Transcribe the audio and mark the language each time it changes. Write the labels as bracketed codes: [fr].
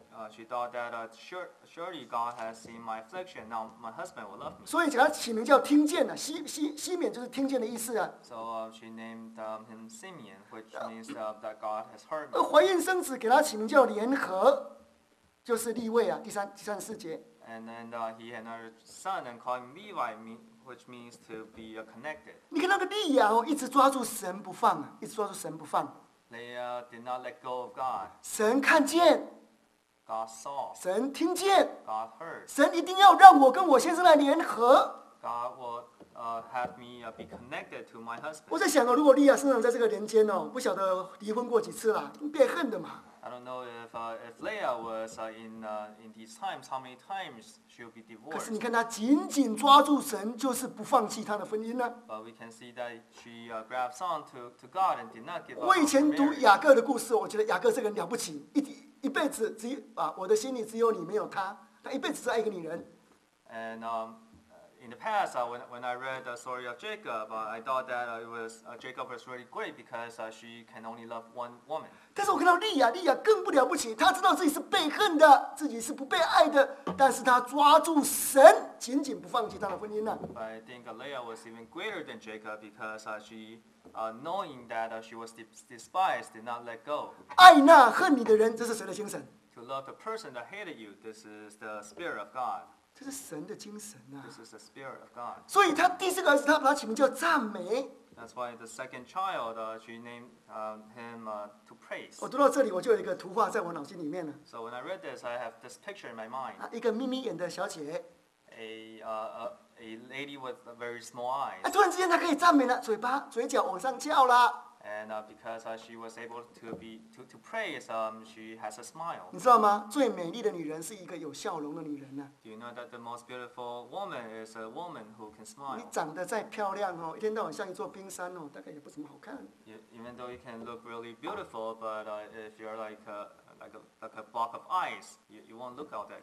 [en] She thought that surely God has seen my affliction. Now my husband will love me. [zh] 所以给他起名叫听见了，西面就是听见的意思啊。 [en] So she named him Simeon, which means that God has heard me. [zh] 怀孕生子给他起名叫联合，就是利未啊。第三十四节。 [en] And then he had another son and called him Levi, which means to be connected. [zh] 你看那个利亚哦，一直抓住神不放啊，一直抓住神不放。 [en] They did not let go of God. [zh] 神看见。 [en] God saw. [zh] 神听见。 [en] God heard. [zh] 神一定要让我跟我先生来联合。 [en] God will have me be connected to my husband. [zh] 我在想、哦、如果利亚生长在这个人间、哦、不晓得离婚过几次了，变恨的嘛。 [en] I don't know if Leah was in these times, how many times she'll be divorced. [zh] 可是你看她紧紧抓住神，就是不放弃她的婚姻呢。 [en] But we can see that she grabs on to God and did not give up. [zh] 我以前读雅各的故事，我觉得雅各这个人了不起，一辈子只有啊，我的心里只有你，没有他。他一辈子只爱一个女人。 [en] And in the past, when I read the story of Jacob, I thought that it was Jacob was really great because she can only love one woman. [zh] 但是我看到利亚，利亚更不了不起，她知道自己是被恨的，自己是不被爱的，但是她抓住神，紧紧不放弃她的婚姻呢。 [en] But I think Leah was even greater than Jacob because she, knowing that she was despised, did not let go. [zh] 爱那恨你的人，这是谁的精神？ [en] To love the person that hated you, this is the spirit of God. [zh] 这是神的精神啊。 [en] This is the spirit of God. [zh] 所以他第四个儿子，他把他起名叫赞美。 [en] That's why the second child, she named him to praise. [zh] 我读到这里，我就有一个图画在我脑筋里面了。 [en] So when I read this, I have this picture in my mind. [zh] 一个眯眯眼的小姐。 [en] A lady with a very small eyes. [zh] 突然之间，她可以赞美了，嘴巴、嘴角往上翘了。 [en] And because she was able to praise, she has a smile. [zh] 你知道吗？最美丽的女人是一个有笑容的女人呢。 [en] Do you know that the most beautiful woman is a woman who can smile? [zh] 你长得再漂亮哦，一天到晚像一座冰山哦，大概也不怎么好看。 [en] Even though you can look really beautiful, but if you're like a block of ice, you won't look all that good.